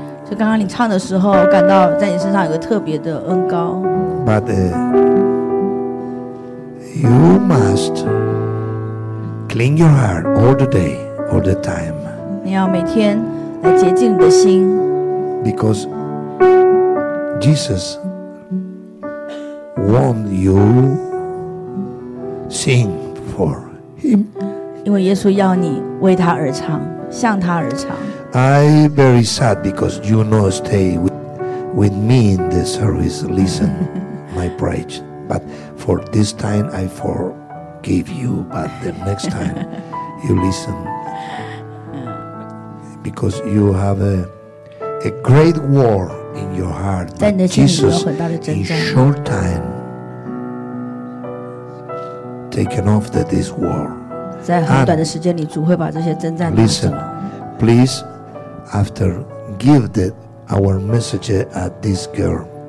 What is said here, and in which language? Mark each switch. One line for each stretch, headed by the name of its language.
Chinese: 就刚刚你唱的时候，感到在你身上有个特别的恩膏。
English: But you must clean your heart all the day, all the time.
Chinese: 你要每天来洁净你的心。
English: Because Jesus want you sing for Him.
Chinese: 因为耶稣要你为他而唱，向他而唱。
English: I very sad because you not stay with me in the service. Listen, my bride. But for this time, I forgive you. But the next time, you listen because you have a great war in your heart. That Jesus, in short time, taken off the this war.
Chinese: 在很短的时间里，主会把这些征战拿走。
English: Listen, please, after give the our message at this girl.